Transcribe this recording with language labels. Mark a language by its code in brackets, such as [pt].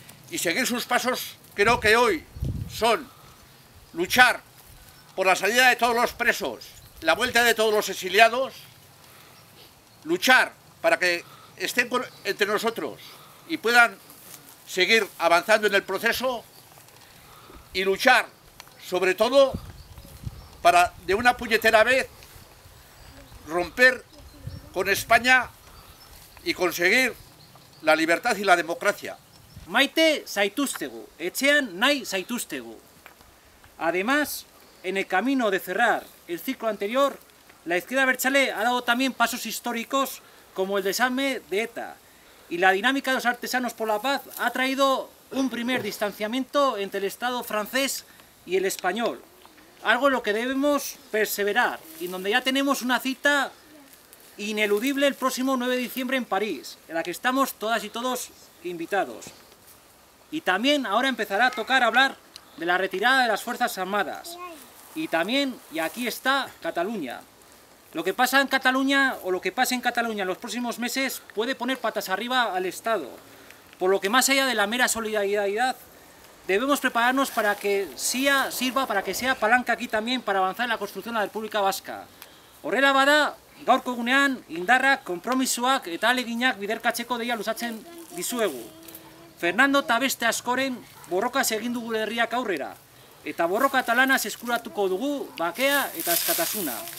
[es] Y seguir sus pasos creo que hoy son luchar por la salida de todos los presos, la vuelta de todos los exiliados, luchar para que estén entre nosotros y puedan seguir avanzando en el proceso y luchar, sobre todo, para de una puñetera vez romper con España y conseguir la libertad y la democracia. [eu] Maite zaituztegu, etxean nahi zaituztegu. [es] Además, en el camino de cerrar el ciclo anterior, la izquierda abertzale ha dado también pasos históricos como el desarme de ETA. Y la dinámica de los artesanos por la paz ha traído un primer distanciamiento entre el Estado francés y el español. Algo en lo que debemos perseverar y donde ya tenemos una cita ineludible el próximo 9 de diciembre en París, en la que estamos todas y todos invitados. Y también ahora empezará a tocar hablar de la retirada de las Fuerzas Armadas. Y también, y aquí está, Cataluña. Lo que pasa en Cataluña o lo que pase en Cataluña en los próximos meses puede poner patas arriba al Estado. Por lo que más allá de la mera solidaridad, debemos prepararnos para que sea palanca aquí también para avanzar en la construcción de la República Vasca. [eu] Horrela bada, gaurko gunean, indarrak, kompromisoak eta aleginak biderkatzeko deia luzatzen dizuegu. Fernando eta beste askoren borroka egin dugu herriak aurrera. Eta borroka talanaz eskuratuko dugu bakea eta askatasuna.